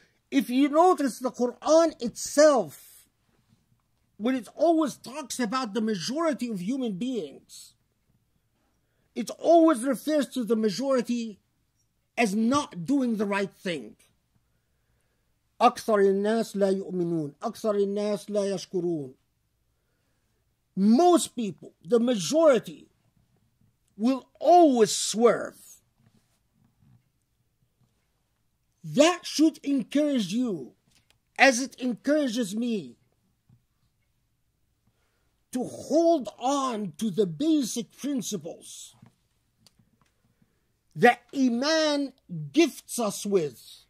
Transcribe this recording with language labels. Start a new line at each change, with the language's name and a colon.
English: If you notice, the Quran itself, when it always talks about the majority of human beings, it always refers to the majority as not doing the right thing.
Arabic: أكثر الناس لا يؤمنون أكثر الناس لا يشكرون.
English: Most people, the majority, will always swerve. That should encourage you, as it encourages me, to hold on to the basic principles that Iman gifts us with.